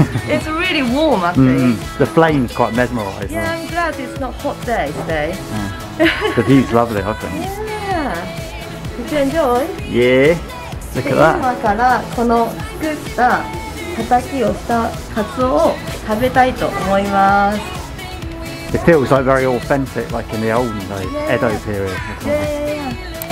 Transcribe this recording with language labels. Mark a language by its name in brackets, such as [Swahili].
[English] It's really warm, actually. Mm, the flame's quite mesmerized. Yeah, I'm glad it's not hot day today. The view's lovely, I think. Yeah. Did you enjoy? Yeah. Look at that. [Japanese] 今からこの作ったたたきをしたカツオを食べたいと思います。 [English] It feels like very authentic, like in the olden days, Edo period.